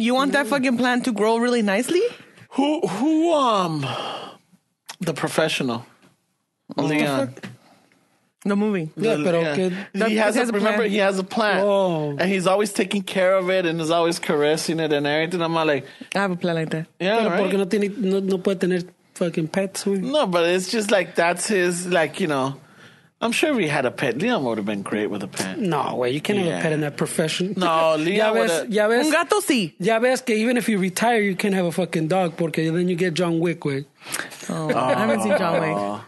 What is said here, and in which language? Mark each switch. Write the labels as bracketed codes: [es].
[en] You want that fucking plant to grow really nicely? Who? The professional. What Leon. The fuck? The movie. Yeah, but okay. Yeah. He has a plant. Whoa. And he's always taking care of it and is always caressing it and everything. I'm like, I have a plant like that. Yeah, [es] pero [en] right. [es] Porque no tiene, no, no puede tener [en] fucking pets. No, but it's just like, that's his, like, you know. I'm sure if he had a pet, Leon would have been great with a pet. No, way. You can't have a pet in that profession. No, Leon would have. [es] Un gato, sí. Ya ves que [en] even if you retire, you can't have a fucking dog porque then you get John Wick, güey. Oh, I haven't seen John Wick.